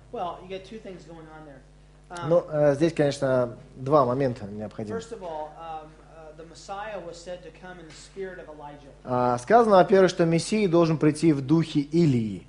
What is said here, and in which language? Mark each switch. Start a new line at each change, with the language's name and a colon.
English: Well, you got two things going on there.
Russian: Здесь, конечно, два момента необходимы.
English: First of all, the Messiah was said to come in the spirit of Elijah.
Russian: Сказано, во-первых, что Мессия должен прийти в духе Илии.